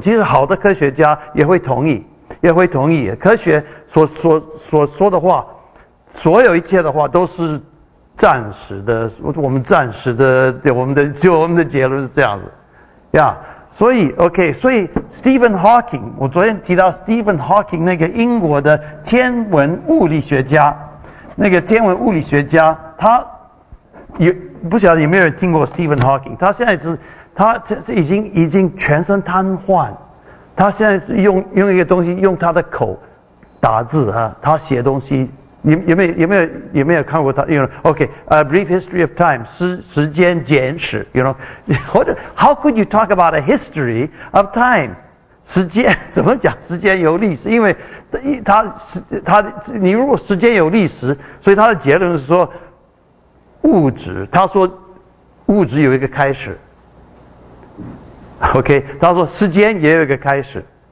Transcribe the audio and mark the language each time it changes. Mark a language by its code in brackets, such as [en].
[zh] 其实好的科学家也会同意，科学所说的话，所有一切的话都是暂时的，我们的结论是这样子，所以 OK， 所以 Stephen Hawking， 我昨天提到 Stephen Hawking 那个英国的天文物理学家。那个天文物理学家，他有不晓得有没有人听过 Stephen Hawking？ 他现在已经全身瘫痪，他现在是用一个东西，用他的口打字啊，他写东西。 [en] 你有没有看过他？You know, okay, a brief history of time, 时间简史 You know, how could you talk about a history of time? [zh] 时间怎么讲？时间有历史，因为他你如果时间有历史，所以他的结论是说物质。他说物质有一个开始。Okay, 他说时间也有一个开始。